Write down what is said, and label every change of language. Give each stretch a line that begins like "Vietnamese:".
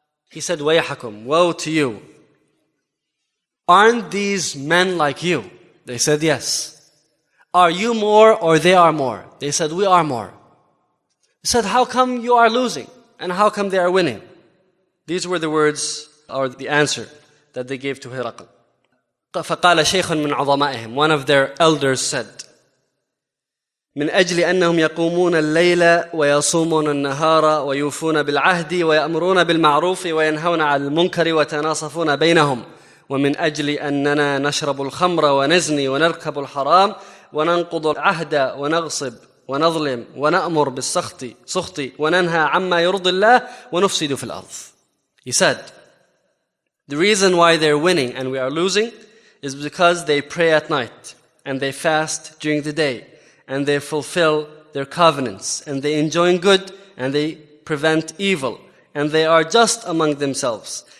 English: He said, "Wayahakum, woe to you. Aren't these men like you?" They said, "Yes." "Are you more or they are more?" They said, "We are more." He said, "How come you are losing? And how come they are winning?" These were the words, or the answer, that they gave to Hiraql.
Arabic: فَقَالَ شَيْخٌ مِنْ عُظَمَائِهِمْ
English: One of their elders said,
Arabic: من أجل أنهم يقومون الليل ويصومون النهار ويوفون بالعهد ويأمرون بالمعروف وينهون عن المنكر وتناصفون بينهم ومن أجل أننا نشرب الخمر ونزني ونركب الحرام وننقض العهد ونغصب ونظلم ونأمر بالسخط وننهى عما يرضي الله ونفسد في الأرض.
English: He said, the reason why they're winning and we are losing is because they pray at night and they fast during the day, and they fulfill their covenants, and they enjoin good, and they prevent evil, and they are just among themselves.